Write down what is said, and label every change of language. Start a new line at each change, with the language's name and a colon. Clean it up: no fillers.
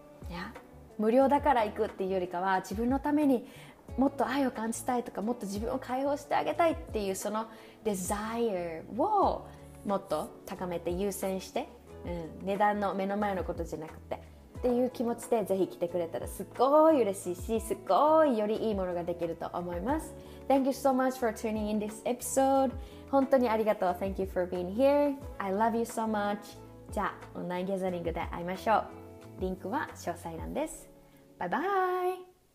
Japanese: いや、無料だから行くっていうよりかは、自分のためにもっと愛を感じたいとか、もっと自分を解放してあげたいっていう、そのデザイアをもっと高めて優先して、値段の目の前のことじゃなくてっていう気持ちでぜひ来てくれたらすっごい嬉しいし、すっごいよりいいものができると思います。
English: Thank you so much for tuning in this episode.
Japanese: 本当にありがとう。
English: Thank you for being here. I love you so much.
Japanese: じゃあ、オンラインギャザリングで会いましょう。リンクは詳細欄です。バイバイ。